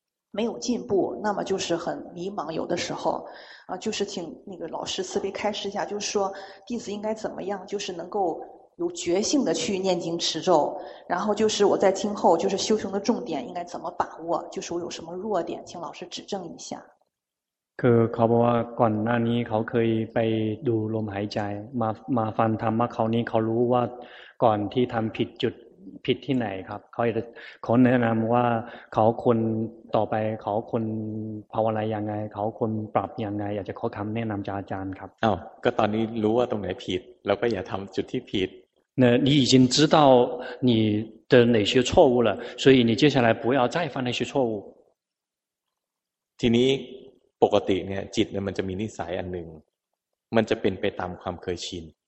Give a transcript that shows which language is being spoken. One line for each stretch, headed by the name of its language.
Chinese: 没有进步那么就是很迷茫有的时候就是请那个老师慈悲开示一下就是说弟子应该怎么样就是能够有觉性的去念经持咒然后就是我在今后就是修行的重点应该怎么把握就是我有什么弱点请老师指正一下
Thai: คือเขาบอกว่าก่อนหน้านี้เขาเคยไปดูลมหายใจมาฟังธรรมะคราวนี้เขารู้ว่าก่อนที่ทำผิดจุดผิดที่ไหนครับเขาจะขอแนะนำว่าเขาควรต่อไปเขาควรภาวนายังไงเขาควรปรับยังไงอยากจะขอคำแนะนำจากอาจารย์ครับ อ้าวก็ตอนนี้รู้ว่าตรงไหนผิดแล้วก็อย่าทำจุดที่ผิด
Chinese: เนี่ย你已经知道你的哪些错误了所以你接下来不要再犯那些错误
Thai: ทีนี้ปกติเนี่ยจิตเนี่ยมันจะมีนิสัยอันหนึ่งมันจะเป็นไปตามความเคยชิน